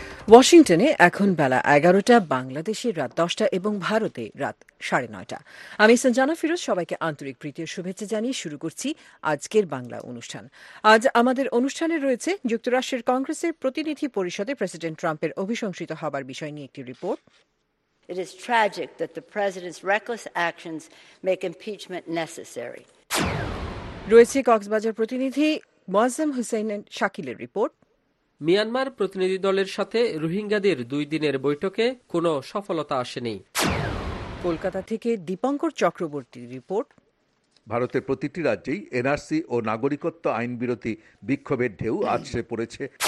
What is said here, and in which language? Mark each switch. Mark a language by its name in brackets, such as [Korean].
[Bangla] ওয়াশিংটনে এখন বেলা ১১টা, বাংলাদেশে রাত ১০টা এবং ভারতে রাত ৯:৩০। আমি সঞ্জনা ফিরোজ সবাইকে আন্তরিক প্রীতির শুভেচ্ছা জানিয়ে শুরু করছি আজকের বাংলা অনুষ্ঠান। আজ আমাদের অনুষ্ঠানে রয়েছে যুক্তরাষ্ট্রের কংগ্রেসের প্রতিনিধি পরিষদে প্রেসিডেন্ট ট্রাম্পের অভিশংসিত হবার বিষয় নিয়ে একটি report. [English] It is tragic that the president's reckless actions make impeachment necessary. [Bangla] রয়েছে কক্সবাজার প্রতিনিধি মোয়াজ্জেম হুসাইনের শাকিলের রিপোর্ট। মিয়ানমার প্রতিনিধি দলের সাথে রোহিঙ্গাদের দুই দিনের বৈঠকে কোনো সফলতা আসেনি। কলকাতা থেকে দীপঙ্কর চক্রবর্তীর রিপোর্ট। ভারতের প্রতিটি রাজ্যেই এনআরসি ও নাগরিকত্ব আইন বিরোধী বিক্ষোভের ঢেউ আছড়ে পড়েছে।